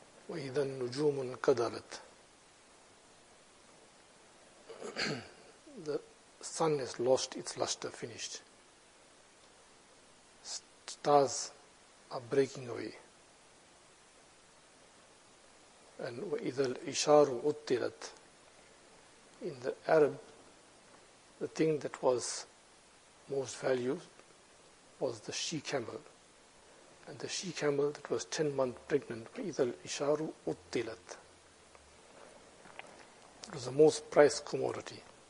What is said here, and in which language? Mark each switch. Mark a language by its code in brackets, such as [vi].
[ar] وَإِذَا النُّجُومُ انْكَدَرَتْ. [en] The sun has lost its luster, finished. Stars are breaking away. [ar] And وَإِذَا الْعِشَارُ عُطِّلَتْ. [en] In the Arab, the thing that was most valued was the she-camel. And the she-camel that was 10 months pregnant, [ar] وَإِذَا الْعِشَارُ عُطِّلَتْ. [en] It was the most prized commodity.